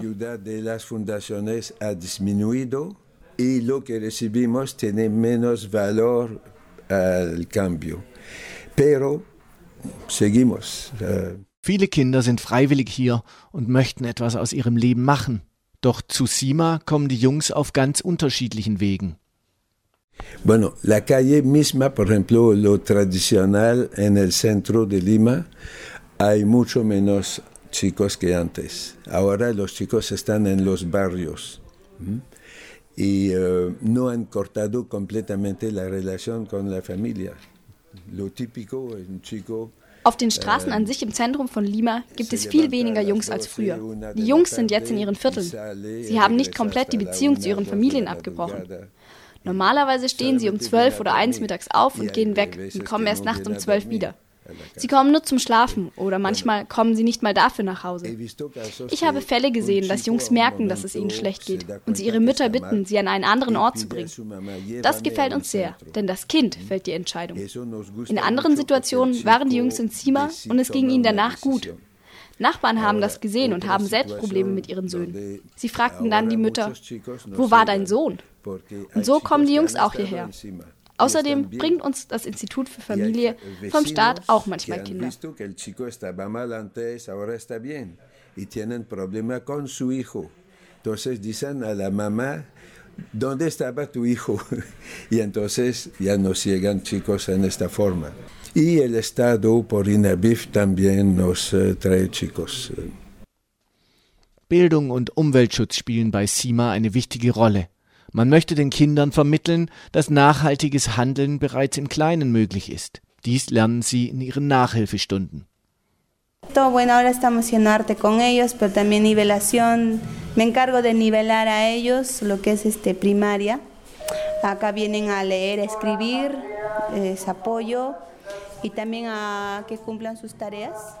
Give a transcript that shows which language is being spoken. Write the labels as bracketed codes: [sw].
[de] Die Hilfe der Fundationen hat [es] disminuido y lo que recibimos tiene menos valor al cambio. Pero seguimos. [de] Viele Kinder sind freiwillig hier und möchten etwas aus ihrem Leben machen. Doch zu Sima kommen die Jungs auf ganz unterschiedlichen Wegen. [es] Bueno, la calle misma, por ejemplo, lo tradicional en el centro de Lima, hay mucho menos chicos que antes. Ahora los chicos están en los barrios. Y no han cortado completamente la relación con la familia. Lo típico es un chico. [de] Auf den Straßen an sich im Zentrum von Lima gibt es viel weniger Jungs als früher. Die Jungs sind jetzt in ihren Vierteln. Sie haben nicht komplett die Beziehung zu ihren Familien abgebrochen. Normalerweise stehen sie um 12 oder 1 mittags auf und gehen weg und kommen erst nachts um 12 wieder. Sie kommen nur zum Schlafen oder manchmal kommen sie nicht mal dafür nach Hause. Ich habe Fälle gesehen, dass Jungs merken, dass es ihnen schlecht geht und sie ihre Mütter bitten, sie an einen anderen Ort zu bringen. Das gefällt uns sehr, denn das Kind fällt die Entscheidung. In anderen Situationen waren die Jungs in Sima und es ging ihnen danach gut. Nachbarn haben das gesehen und haben selbst Probleme mit ihren Söhnen. Sie fragten dann die Mütter, wo war dein Sohn? Und so kommen die Jungs auch hierher. Außerdem bringt uns das Institut für Familie vom Staat auch manchmal Kinder. [es] Visto que el chico estaba mal antes, ahora está bien. Y tienen problema con su hijo. Entonces dicen a la mamá, ¿dónde estaba tu hijo? Y entonces ya no llegan chicos en esta forma. Y el Estado por INABIF también nos trae chicos. [de] Bildung und Umweltschutz spielen bei Sima eine wichtige Rolle. Man möchte den Kindern vermitteln, dass nachhaltiges Handeln bereits im Kleinen möglich ist. Dies lernen sie in ihren Nachhilfestunden. [es] Bueno, ahora estamos en arte con ellos, pero también nivelación. Me encargo de nivelar a ellos lo que es primaria. Acá vienen a leer, a escribir, es apoyo y también a que cumplan sus tareas.